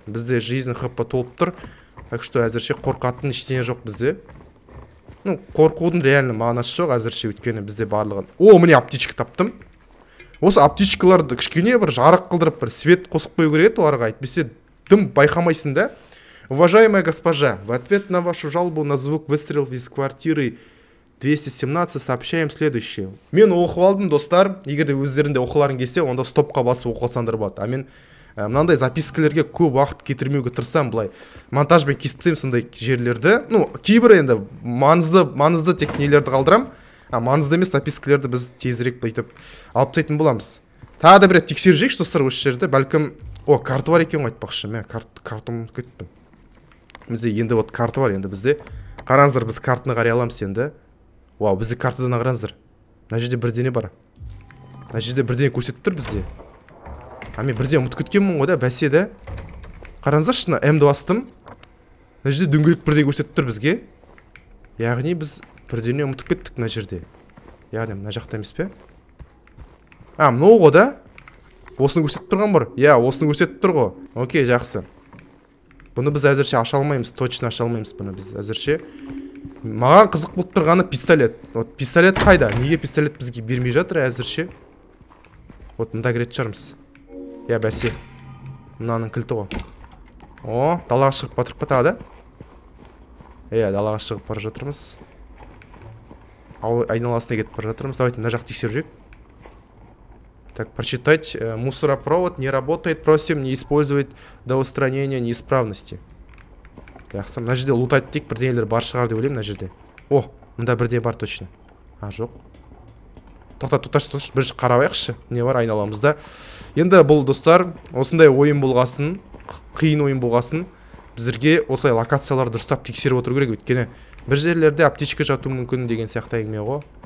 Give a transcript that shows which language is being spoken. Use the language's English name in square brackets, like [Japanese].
[Kazakh] Бізде жизнь хп толып тұр. [Russian] Так что [Kazakh] әзірше қорқатын ештеңе жоқ бізде. Ну, қорқудың реальный мағынасы жоқ әзірше, өйткені бізде барлығын. О, міне аптечка таптым. Осы аптечкаларды кішкене бір жарық қылдырып, бір свет қосып қою керек еді оларға. Әйтпесе дым байқамайсың да? [Russian] Уважаемая госпожа, в ответ на вашу жалобу на звук выстрелов из квартиры 217 сообщаем следующее. [Kazakh] Мен оқып алдым, достар. Егер де өздерінде оқыларың келсе, онда стопқа басып оқысаңдар болады. А мен мынандай запискілерге көп уақыт кетірмеуге тырысамын, былай монтажбен кесіп тастаймын сондай жерлерді. Ну, кейбір енді маңызды тек нелерді қалдырамын. А маңызды емес запискілерді біз тезірек бүйтіп алып тастайтын боламыз. Тағы да бір рет тексеріп жейікші, достар, осы жерді. Бәлкім, о, карта бар екен ғой, айтпақшы. Мен картам кетті. Бізде енді вот карта бар, енді бізде. Қараңыздар, біз картаны қарай аламыз енді. Вау, бізде картадан қараңыздар. Мына жерде бірдеңе бар. Мына жерде бірдеңе көрсетіп тұр бізде. А мен бірден ұмытып кеткенмін ғой да, бәсе да. Қараңыздаршы, мына M-ді бастым. Мына жерде дөңгелек бірде көрсетіп тұр бізге. Яғни біз бірдене ұмытып кеттік мына жерде. Яғни мына жақта емес пе? А, мынау ғой да? Осыны көрсетіп тұрған бар. Иә, осыны көрсетіп тұр ғой. Окей, жақсы. Бұны біз әзірше аша алмаймыз, точно аша алмаймыз бұны біз әзірше. Маған қызық болып тұрғаны пистолет. Вот пистолет қайда? Неге пистолет бізге бермей жатыр әзірше? Вот мында кіретін шығармыз. Иә, бәсе. Мынаның кілті ғой. О, далаға шығып батырып па тағы да? Иә, далаға шығып бара жатырмыз. Айналасына кетіп бара жатырмыз. Давайте мына жақты тексеріп жүрейік. [Russian] Так, прочитать. Мусоропровод не работает. Просим не использовать до устранения неисправности. [Kazakh] Жақсы, мына жерде лутайды тек бірдеңелер бар шығар деп ойлаймын мына жерде. О, мында бірдеңе бар точно. А, жоқ. Тоқташ, бірінші қарайықшы, не бар айналамызда. Енді бұл, достар, осындай ойын болғасын, қиын ойын болғасын, біздерге осылай локацияларды дұрыстап тексеріп отыру керек, өйткені бір жерлерде аптечка жату мүмкін деген сияқты әңгіме ғой.